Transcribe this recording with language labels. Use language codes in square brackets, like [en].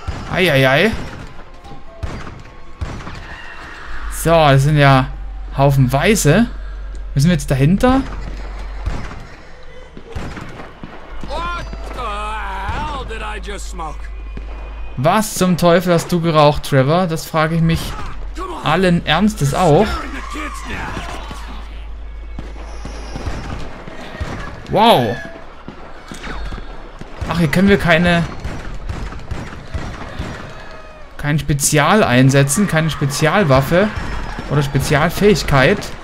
[de] Eieiei. So, das sind ja haufenweise. Müssen wir jetzt dahinter? [en] What the hell did I just smoke? [de] Was zum Teufel hast du geraucht, Trevor? Das frage ich mich allen Ernstes auch. Wow. Ach, hier können wir kein Spezial einsetzen, keine Spezialwaffe oder Spezialfähigkeit.